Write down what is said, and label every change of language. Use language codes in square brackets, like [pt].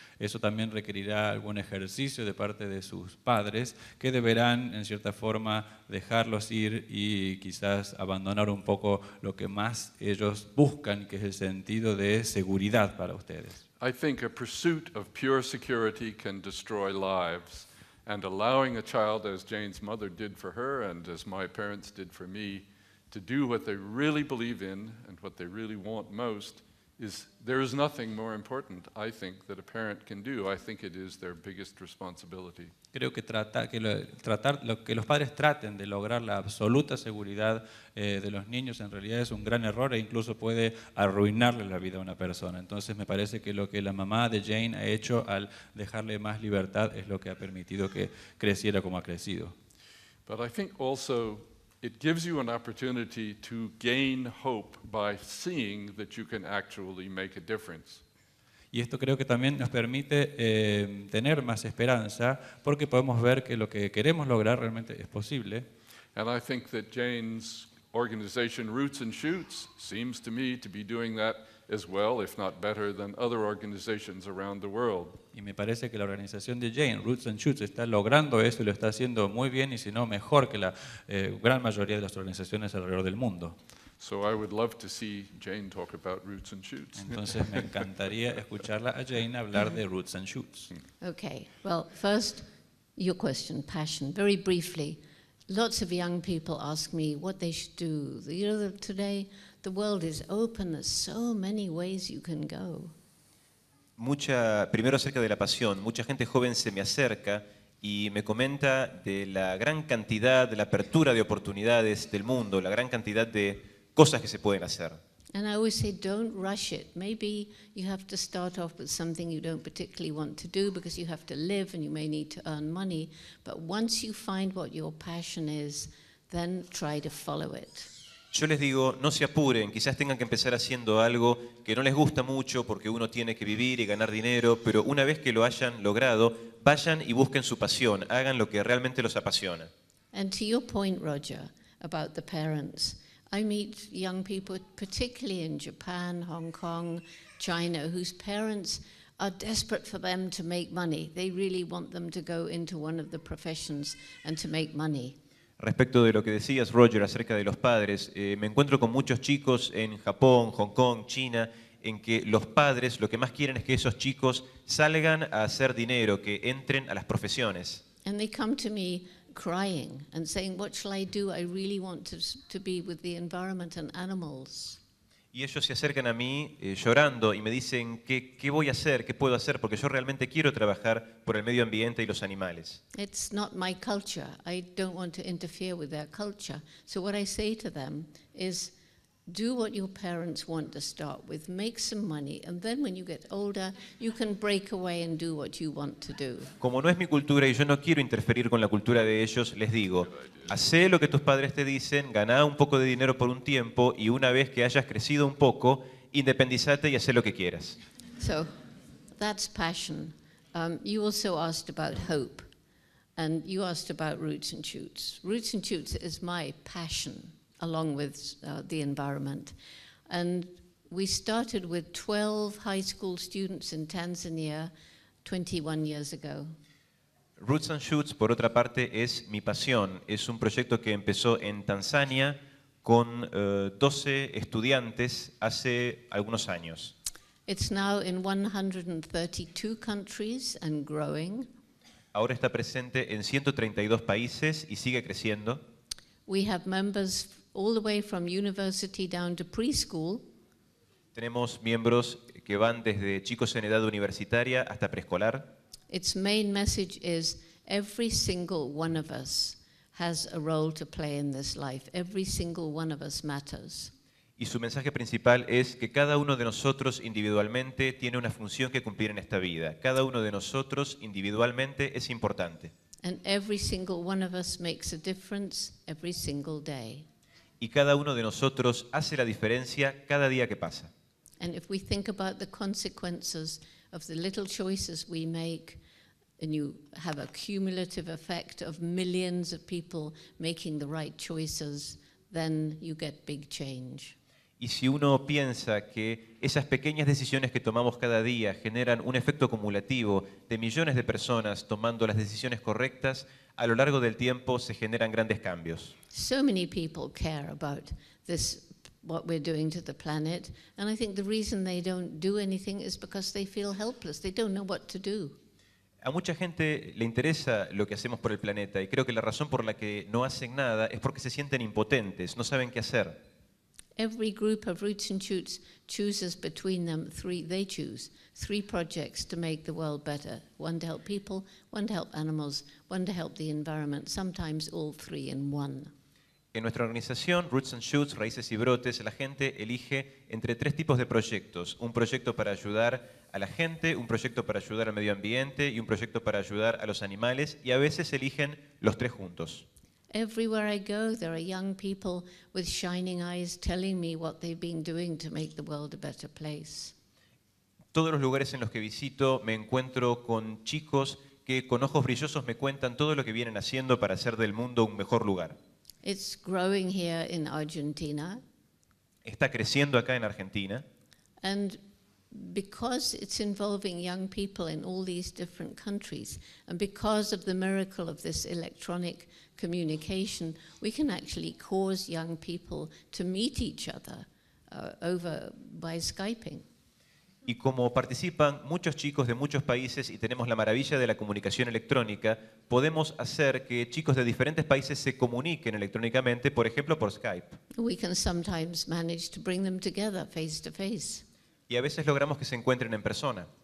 [es] Eso también requerirá algún ejercicio de parte de sus padres, que deberán, en cierta forma, dejarlos ir y quizás abandonar un poco lo que más ellos buscan, que es el sentido de seguridad para ustedes. [en] I think a pursuit of pure security can destroy lives. And allowing a child, as Jane's mother did for her and as my parents did for me, to do what they really believe in and what they really want most, there is nothing more important, I think, that a parent can do. I think it is their biggest responsibility. [es] Creo que tratar que los padres traten de lograr la absoluta seguridad de los niños en realidad es un gran error e incluso puede arruinarle la vida a una persona. Entonces me parece que lo que la mamá de Jane ha hecho al dejarle más libertad es lo que ha permitido que creciera como ha crecido. [en] But I think also it gives you an opportunity to gain hope by seeing that you can actually make a difference. [es] Y esto creo que también nos permite tener más esperanza porque podemos ver que lo que queremos lograr realmente es posible. [en] And I think that Jane's organization Roots and Shoots seems to me to be doing that as well, if not better than other organizations around the world. [es] Y me parece que la organización de Jane Roots and Shoots está logrando eso y lo está haciendo muy bien y si no mejor que la gran mayoría de las organizaciones alrededor del mundo. [en] So I would love to see Jane talk about Roots and Shoots. [es] Entonces me encantaría escucharla a Jane hablar de Roots and Shoots. [en] Okay. Well, first your question, passion, very briefly. Lots of young people ask me what they should do. You know, today the world is open. There's so many ways you can go. [es] Mucha, primero acerca de la pasión. Mucha gente joven se me acerca y me comenta de la gran cantidad, de la apertura de oportunidades del mundo, la gran cantidad de cosas que se pueden hacer. [en] And I always say, don't rush it. Maybe you have to start off with something you don't particularly want to do because you have to live and you may need to earn money. But once you find what your passion is, then try to follow it. [es] Yo les digo, no se apuren. Quizás tengan que empezar haciendo algo que no les gusta mucho porque uno tiene que vivir y ganar dinero. Pero una vez que lo hayan logrado, vayan y busquen su pasión. Hagan lo que realmente los apasiona. [en] And to your point, Roger, about the parents. I meet young people, particularly in Japan, Hong Kong, China, whose parents are desperate for them to make money. They really want them to go into one of the professions and to make money. [es] Respecto de lo que decías, Roger, acerca de los padres, me encuentro con muchos chicos en Japón, Hong Kong, China, en que los padres lo que más quieren es que esos chicos salgan a hacer dinero, que entren a las profesiones. [en] And they come to me crying and saying, what shall I do? I really want to be with the environment and animals. [es] Y ellos se acercan a mí llorando y me dicen, ¿qué voy a hacer? ¿Qué puedo hacer? Porque yo realmente quiero trabajar por el medio ambiente y los animales. [en] It's not my culture. I don't want to interfere with their culture. So what I say to them is, do what your parents want to start with. Make some money, and then when you get older, you can break away and do what you want to do. [es] Como no es mi cultura y yo no quiero interferir con la cultura de ellos, les digo, hacé lo que tus padres te dicen, gana un poco de dinero por un tiempo, y una vez que hayas crecido un poco, independizate y hacé lo que quieras. [en] So, that's passion. You also asked about hope, and you asked about Roots and Shoots. Roots and Shoots is my passion, along with the environment. And we started with 12 high school students in Tanzania 21 years ago. [es] Roots and Shoots, por otra parte, es mi pasión. Es un proyecto que empezó en Tanzania con 12 estudiantes hace algunos años. [en] It's now in 132 countries and growing. [es] Ahora está presente en 132 países y sigue creciendo. [en] We have members all the way from university down to preschool. [es] Tenemos miembros que van desde chicos en edad universitaria hasta preescolar. [en] Its main message is every single one of us has a role to play in this life. Every single one of us matters. [es] Y su mensaje principal es que cada uno de nosotros individualmente tiene una función que cumplir en esta vida. Cada uno de nosotros individualmente es importante. [en] And every single one of us makes a difference every single day. [es] Y cada uno de nosotros hace la diferencia cada día que pasa. [en] And if we think about the consequences of the little choices we make, and you have a cumulative effect of millions of people making the right choices, then you get big change. [es] Y si uno piensa que esas pequeñas decisiones que tomamos cada día generan un efecto acumulativo de millones de personas tomando las decisiones correctas, a lo largo del tiempo se generan grandes cambios. [en] So many people care about this, what we're doing to the planet, and I think the reason they don't do anything is because they feel helpless. They don't know what to do. [es] A mucha gente le interesa lo que hacemos por el planeta y creo que la razón por la que no hacen nada es porque se sienten impotentes, no saben qué hacer. [en] Every group of Roots and Shoots chooses between them three, they choose three projects to make the world better. One to help people, one to help animals, one to help the environment, sometimes all three in one. [es] En nuestra organización, Roots and Shoots, Raíces y Brotes, la gente elige entre tres tipos de proyectos. Un proyecto para ayudar a la gente, un proyecto para ayudar al medio ambiente y un proyecto para ayudar a los animales. Y a veces eligen los tres juntos. [en] Everywhere I go, there are young people with shining eyes telling me what they've been doing to make the world a better place. [es] Todos los lugares en los que visito me encuentro con chicos que con ojos brillosos me cuentan todo lo que vienen haciendo para hacer del mundo un mejor lugar. [en] It's growing here in Argentina. [es] Está creciendo acá en Argentina. [en] And because it's involving young people in all these different countries, and because of the miracle of this electronic communication, we can actually cause young people to meet each other over by Skyping. [es] Y como participan muchos chicos de muchos países y tenemos la maravilla de la comunicación electrónica, podemos hacer que chicos de diferentes países se comuniquen electrónicamente, por ejemplo, por Skype. [en] We can sometimes manage to bring them together face to face. [es] Y a veces logramos que se encuentren en persona.